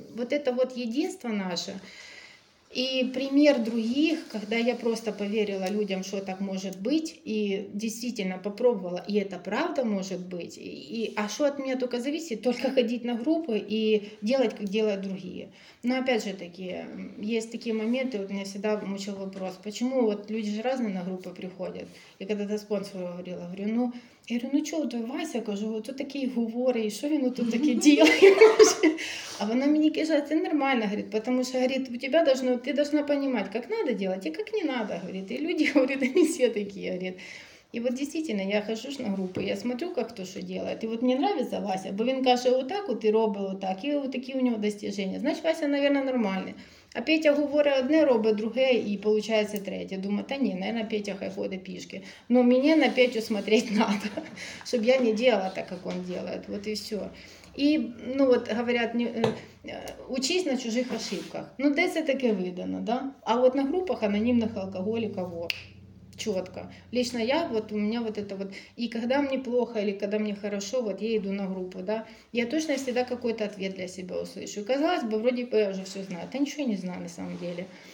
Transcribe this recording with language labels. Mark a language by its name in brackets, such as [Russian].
[Russian] Вот это вот единство наше. И пример других, когда я просто поверила людям, что так может быть, и действительно попробовала, и это правда может быть, и, а что от меня только зависит, только ходить на группы и делать, как делают другие. Но опять же таки, есть такие моменты, вот меня всегда мучил вопрос, почему вот люди же разные на группы приходят. И когда-то спонсору говорила, говорю, ну... [Ukrainian] Я говорю, ну чого ти, Вася, кажу, тут такі говори, і що він тут таке діє? А вона мені каже, це нормально, говорить, тому що, говорить, у тебе должно, ти должна розуміти, як треба робити, а як не треба, говорить. І люди, говорить, вони всі такі, говорить. [Russian] И вот действительно, я хожу на группы, я смотрю, как кто что делает. И вот мне нравится Вася, [Ukrainian] бо він каже, [Russian] вот так вот и робил, вот так, и вот такие у него достижения. Значит, Вася, наверное, нормальный. А Петя говорит [Ukrainian] одне, робит друге, [Russian] и получается третье. Думаю, [Ukrainian] та ні, [Russian] наверное, Петя хай ходит пішки. Но мне на Петю смотреть надо, чтобы я не делала так, как он делает. Вот и все. И, ну вот, говорят, учись на чужих ошибках. [Ukrainian] Ну, де це таке видано, [Russian] да? А вот на группах анонимных алкоголиков, вот. Четко. Лично я, вот у меня вот это вот, и когда мне плохо или когда мне хорошо, вот я иду на группу, да, я точно всегда какой-то ответ для себя услышу. И казалось бы, вроде бы я уже все знаю, да ничего не знаю на самом деле.